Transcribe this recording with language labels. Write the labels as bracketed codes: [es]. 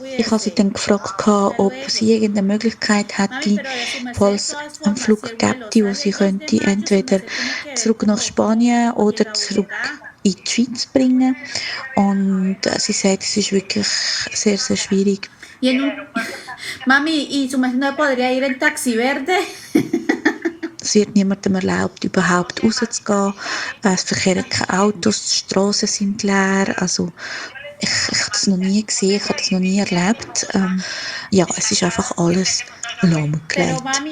[de] Ich habe sie dann gefragt, ob sie irgendeine Möglichkeit hätte, falls ein Flug gäbe, wo sie könnte, entweder zurück nach Spanien oder zurück in die Schweiz bringen. Und sie sagt, es ist wirklich sehr, sehr schwierig. [es] Mami, ¿y su merced no podría ir en Taxi Verde? [de] Es wird niemandem erlaubt, überhaupt rauszugehen. Es verkehren keine Autos, die Strassen sind leer. Also ich habe das noch nie gesehen, ich habe das noch nie erlebt. Ja, es ist einfach alles lahmgelegt.